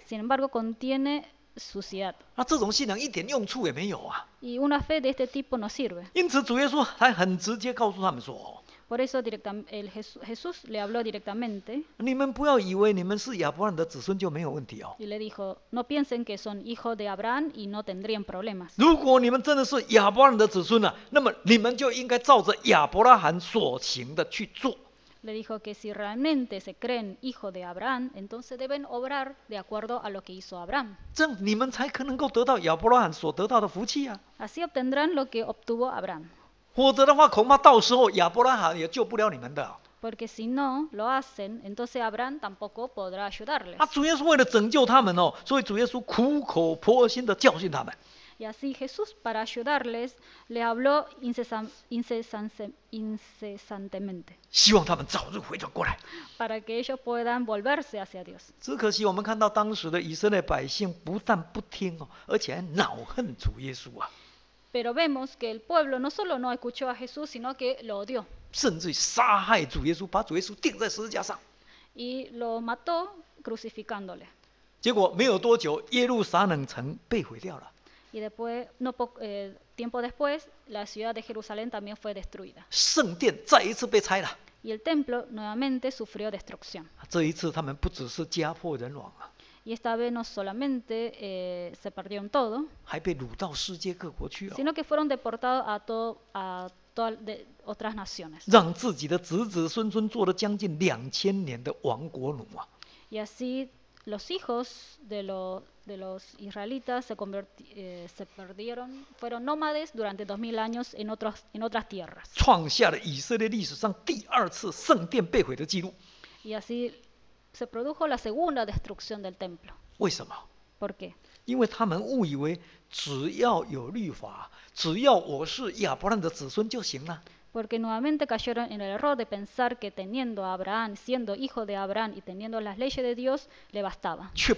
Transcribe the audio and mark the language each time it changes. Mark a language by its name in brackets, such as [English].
[Spanish] Sin embargo, contiene suciedad. [Chinese] 那这种信仰一点用处也没有啊。 [Spanish] Y una fe de este tipo no sirve. [Chinese] 因此主耶稣还很直接告诉他们说。 [Spanish] Por eso Jesús le habló directamente. [Chinese] 你们不要以为你们是亚伯兰的子孙就没有问题哦。 [Spanish] Y le dijo, no piensen que son hijos de Abraham y no tendrían problemas. [Chinese] 如果你们真的是亚伯兰的子孙啊，那么你们就应该照着亚伯拉罕所行的去做。 [Spanish] Le dijo que si realmente se creen hijo de Abraham, entonces deben obrar de acuerdo a lo que hizo Abraham. [Chinese] 这样你们才可能够得到亚伯拉罕所得到的福气啊。 [Spanish] Así obtendrán lo que obtuvo Abraham. [Chinese] 否则的话，恐怕到时候亚伯拉罕也救不了你们的。 [Spanish] Porque si no lo hacen, entonces Abraham tampoco podrá ayudarles. [Chinese] 啊，主耶稣为了拯救他们哦，所以主耶稣苦口婆心的教训他们。 [Spanish] Y así Jesús para ayudarles le habló incesantemente. [Chinese] 希望他们早日回转过来。 [Spanish] Para que ellos puedan volverse hacia Dios. [Chinese] 只可惜我们看到当时的以色列百姓不但不听哦，而且还恼恨主耶稣啊。 [Spanish] Pero vemos que el pueblo no solo no escuchó a Jesús, sino que lo odió. [Chinese] 甚至杀害主耶稣，把主耶稣钉在十字架上。 [Spanish] Y lo mató crucificándole. [Chinese] 结果没有多久，耶路撒冷城被毁掉了。 [Spanish] Y después, no poco, tiempo después, la ciudad de Jerusalén también fue destruida. [Chinese] 圣殿再一次被拆了。 [Spanish] Y el templo nuevamente sufrió destrucción. [Chinese] 这一次他们不只是家破人亡啊。 [Spanish] Y esta vez no solamente se perdieron todo. [Chinese] 还被掳到世界各国去啊。 [Spanish] Sino que fueron deportados a todas otras naciones. [Chinese] 让自己的子子孙孙做了将近2000年的亡国奴啊。 [Spanish] Y así los hijos de los israelitas se perdieron, fueron nómades durante 2000 años en otras tierras. [Chinese] 创下了以色列历史上第二次圣殿被毁的记录。 [Spanish] Y así se produjo la segunda destrucción del templo. [Chinese] 为什么？ [Spanish] ¿Por qué? [Chinese] 因为他们误以为只要有律法，只要我是亚伯兰的子孙就行了。 [Spanish] Porque nuevamente cayeron en el error de pensar que teniendo a Abraham, siendo hijo de Abraham y teniendo las leyes de Dios, le bastaba.